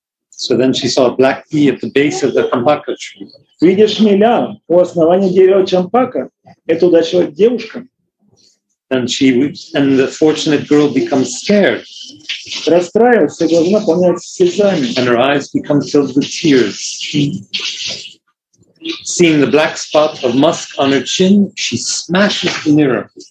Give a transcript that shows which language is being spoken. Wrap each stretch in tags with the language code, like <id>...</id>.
<en>So then she saw a black bee at the base of the champaka tree.</en> <ru>Видишь шмеля у основания дерева чампака? Это удачливая девушка.</ru> <en>And she and the fortunate girl becomes scared.</en> <ru>Расстраивается, глаза наполняются слезами.</ru> <en>And her eyes become filled with tears. Seeing the black spot of musk on her chin, she smashes the mirror.</en>